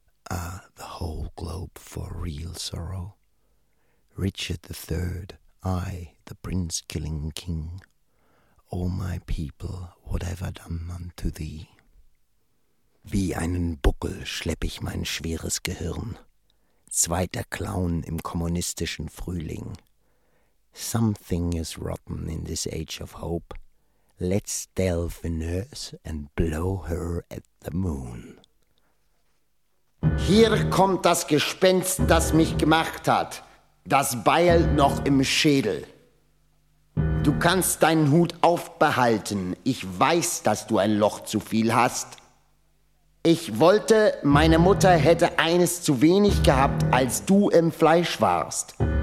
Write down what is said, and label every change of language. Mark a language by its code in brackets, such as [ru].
[en] Ah, the whole globe for real sorrow. Richard III, I, the prince-killing king, O my people, what have I done unto thee? [de] Wie einen Buckel schlepp ich mein schweres Gehirn, zweiter Clown im kommunistischen Frühling. [en] Something is rotten in this age of hope. Let's delve in earth and blow her at the moon. [de] Hier kommt das Gespenst, das mich gemacht hat. Das Beil noch im Schädel. Du kannst deinen Hut aufbehalten. Ich weiß, dass du ein Loch zu viel hast. Ich wollte, meine Mutter hätte eines zu wenig gehabt, als du im Fleisch warst.